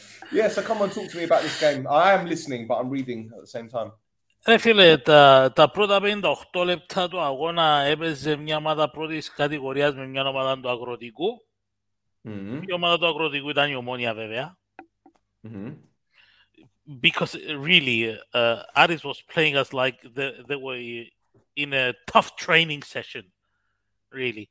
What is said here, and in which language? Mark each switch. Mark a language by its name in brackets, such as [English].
[English] Yeah, so come on, talk to me about this game. I am listening, but I'm reading at the same time. [Greek] Ρε φίλε, τα πρώτα 58 λεπτά του αγώνα έπαιζε μια ομάδα πρώτης κατηγορίας με μια ομάδα του Αγροτικού. Mm-hmm. Η ομάδα του Αγροτικού ήταν η Ομόνια, βέβαια. Mm-hmm. [English] Because really, Aris was playing us like they were in a tough training session, really.